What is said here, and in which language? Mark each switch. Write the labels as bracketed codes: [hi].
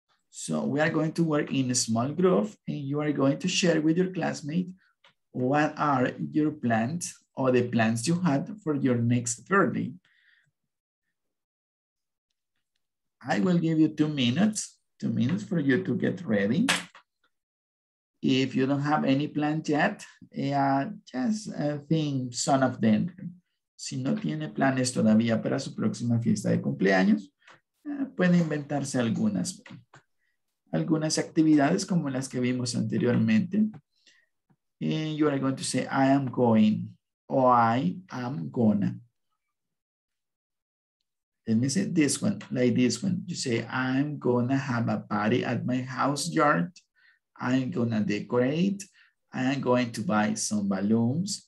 [en] So we are going to work in a small group and you are going to share with your classmate what are your plans or the plans you had for your next birthday. I will give you 2 minutes. 2 minutes for you to get ready. If you don't have any plans yet, just think some of them. [es] Si no tiene planes todavía para su próxima fiesta de cumpleaños, puede inventarse algunas actividades como las que vimos anteriormente. [en] And you are going to say, I am going, or I am gonna. Let me say this one, like this one. You say, I'm gonna have a party at my house yard. I'm gonna decorate. I am going to buy some balloons.